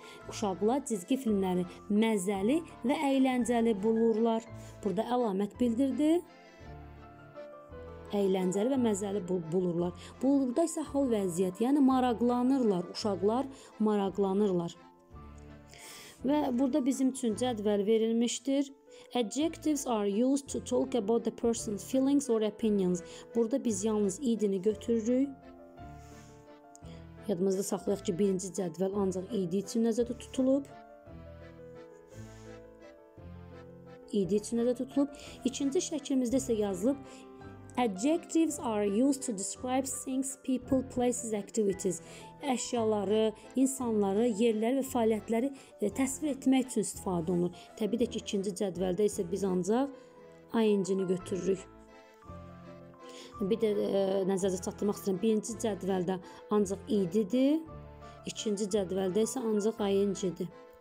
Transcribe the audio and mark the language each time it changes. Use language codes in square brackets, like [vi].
[az] Uşaqlar cizgi filmləri məzəli və əyləncəli bulurlar. Burada əlamət bildirdi. Əyləncəli və məzəli bulurlar. Burada isə hal vəziyyət, yəni maraqlanırlar. Uşaqlar maraqlanırlar. Və burada bizim üçün cədvəl verilmişdir. [en] Adjectives are used to talk about the person's feelings or opinions. [az] Burada biz yalnız idini götürürük. Yadımızda saxlayaq ki, birinci cədvəl ancaq idi üçün nəzərdə tutulub. İdi üçün nəzərdə tutulub. İkinci şəkilimizdə isə yazılıb. [en] Adjectives are used to describe things, people, places, activities. [az] Əşyaları, insanları, yerləri və fəaliyyətləri təsvir etmək üçün istifadə olunur. Təbii də ki, ikinci cədvəldə isə biz ancaq ing-ni götürürük. Bir də nəzərdə çatdırmaq istəyirəm. Birinci cədvəldə ancaq id-dir, ikinci cədvəldə isə ancaq ing-dir.